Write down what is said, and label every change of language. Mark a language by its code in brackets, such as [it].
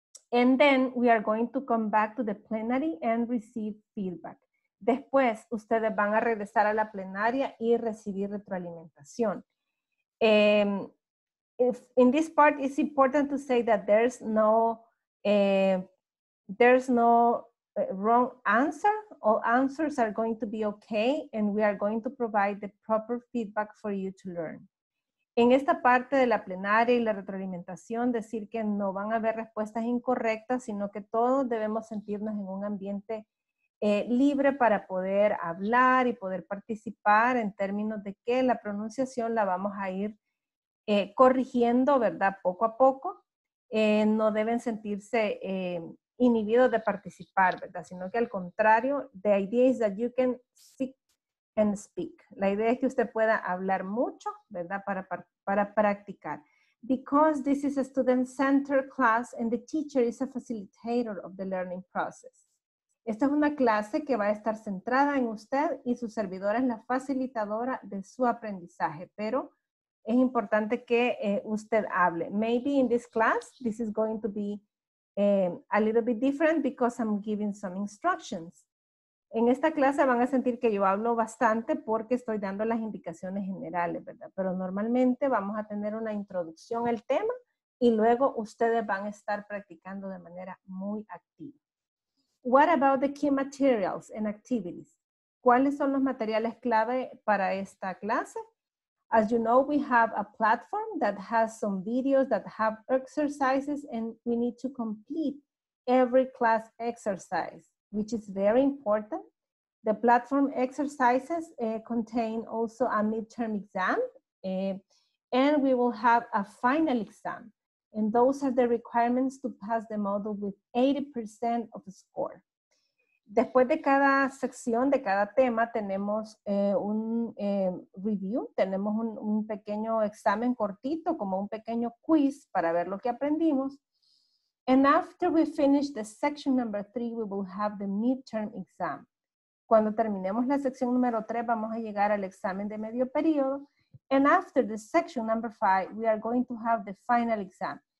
[en] And then we are going to come back to the plenary and receive feedback. [es] Después, ustedes van a regresar a la plenaria y recibir retroalimentación. [en] In this part, it's important to say that there's no wrong answer. All answers are going to be okay, and we are going to provide the proper feedback for you to learn. [es] En esta parte de la plenaria y la retroalimentación, decir que no van a haber respuestas incorrectas, sino que todos debemos sentirnos en un ambiente libre para poder hablar y poder participar en términos de que la pronunciación la vamos a ir corrigiendo, ¿verdad? Poco a poco. No deben sentirse inhibidos de participar, ¿verdad? Sino que al contrario, [en] the idea is that you can sit and speak. [es] La idea es que usted pueda hablar mucho, ¿verdad? Para practicar. [en] Because this is a student-centered class and the teacher is a facilitator of the learning process. [es] Esta es una clase que va a estar centrada en usted y su servidora es la facilitadora de su aprendizaje, pero es importante que usted hable. [en] Maybe in this class, this is going to be a little bit different because I'm giving some instructions. [es] En esta clase van a sentir que yo hablo bastante porque estoy dando las indicaciones generales, ¿verdad? Pero normalmente vamos a tener una introducción al tema y luego ustedes van a estar practicando de manera muy activa. [en] What about the key materials and activities? [es] ¿Cuáles son los materiales clave para esta clase? [en] As you know, we have a platform that has some videos that have exercises, and we need to complete every class exercise, which is very important. The platform exercises contain also a midterm exam, and we will have a final exam. And those are the requirements to pass the module with 80% of the score. [es] Después de cada sección, de cada tema, tenemos review, tenemos un pequeño examen cortito, como un pequeño quiz para ver lo que aprendimos. [en] And after we finish the section number 3, we will have the midterm exam. [es] Cuando terminemos la sección número 3, vamos a llegar al examen de medio periodo. [en] And after the section number 5, we are going to have the final exam.